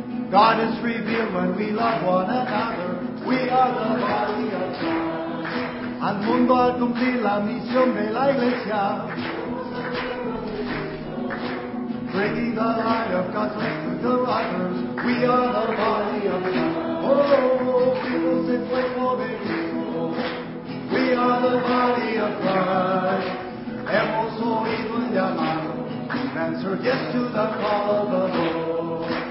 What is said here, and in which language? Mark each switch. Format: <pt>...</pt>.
<en>God is revealed when we love one another. We are the body of God.</en> <es>Al mundo al cumplir la misión de la iglesia.</es> <en>Bringing the light of God's light to the others. We are the body of God.</en> <es>Oh, vivos en cuerpo de Cristo.</es> <en>We are the body of God.</en> <es>Hemos oído el llamado,</es> <en>we've answered yes to the call of the Lord.</en>